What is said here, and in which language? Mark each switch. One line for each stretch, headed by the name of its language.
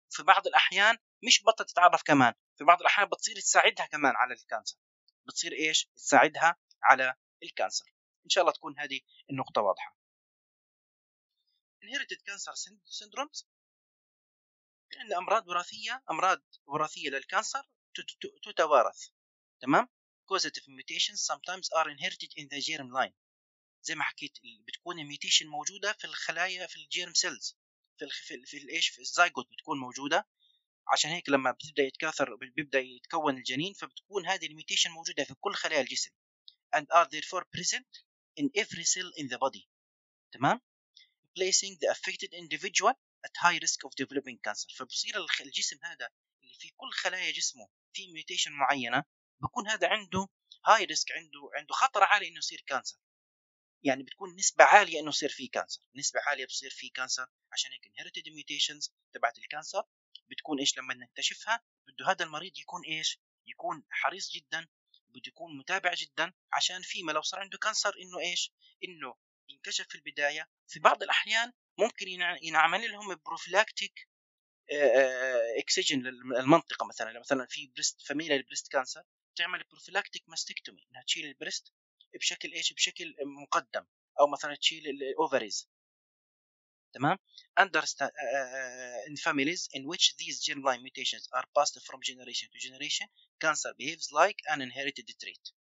Arabic: في بعض الاحيان مش بطل تتعرف، كمان في بعض الاحيان بتصير تساعدها كمان على الكانسر، بتصير ايش؟ تساعدها على الكانسر. ان شاء الله تكون هذه النقطه واضحه.
English: inherited cancer syndromes
Arabic: ان امراض وراثيه للكانسر تتوارث.
English: تمام، causative mutations sometimes are inherited in the germ line.
Arabic: زي ما حكيت بتكون الميوتيشن موجوده في الخلايا في الجيرم سيلز في الايش في الزايجوت بتكون موجوده، عشان هيك لما بتبدا يتكاثر بيبدا يتكون الجنين، فبتكون هذه الميوتيشن موجوده في كل خلايا الجسم
English: and are therefore present in every cell in the body. تمام، placing the affected individual at high risk of developing cancer.
Arabic: فبصير الجسم هذا اللي في كل خلايا جسمه في ميوتيشن معينه بكون هذا عنده هاي ريسك، عنده خطر عالي انه يصير كانسر، يعني بتكون نسبه عاليه انه يصير فيه كانسر، نسبه عاليه بصير فيه كانسر. عشان هيك
English: inherited mutations
Arabic: تبعت الكانسر بتكون ايش لما نكتشفها بده هذا المريض يكون ايش؟ يكون حريص جدا، بده يكون متابع جدا، عشان فيما لو صار عنده كانسر انه ايش؟ انه ينكشف في البدايه. في بعض الاحيان ممكن ينعمل لهم بروفلاكتيك اكسجين للمنطقه، مثلا في بريست فاميليا البريست كانسر تعمل بروفلاكتيك ماستكتومي انها تشيل البريست بشكل ايش؟ بشكل مقدم، او مثلا تشيل الاوفريز
English: تمام understand in families in which these germline mutations are passed from generation to generation cancer behaves like an inherited trait.